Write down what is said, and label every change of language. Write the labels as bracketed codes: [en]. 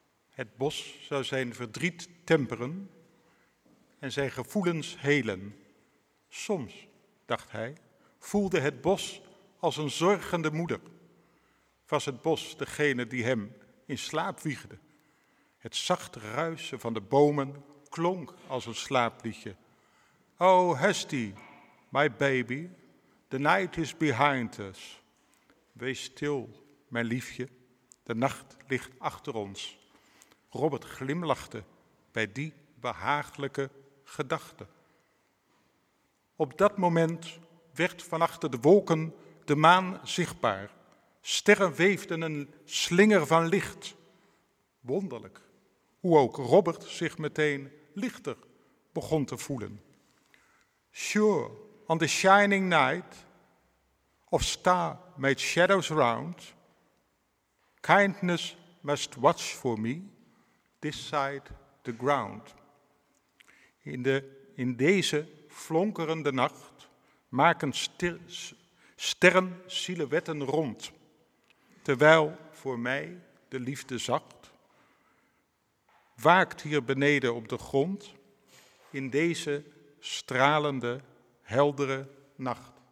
[nl] Het bos zou zijn verdriet temperen en zijn gevoelens helen. Soms, dacht hij, voelde het bos als een zorgende moeder. Was het bos degene die hem in slaap wiegde. Het zacht ruisen van de bomen klonk als een slaapliedje. [en] Oh, Husty, my baby, the night is behind us. [nl] Wees stil, mijn liefje, de nacht ligt achter ons. Robert glimlachte bij die behagelijke gedachte. Op dat moment werd van achter de wolken de maan zichtbaar. Sterren weefden een slinger van licht. Wonderlijk, hoe ook Robert zich meteen lichter begon te voelen. [en] Sure, on the shining night, of star made shadows round, kindness must watch for me, this side the ground. [nl] In deze flonkerende nacht maken sterren silhouetten rond, terwijl voor mij de liefde zacht waakt hier beneden op de grond in deze stralende, heldere nacht.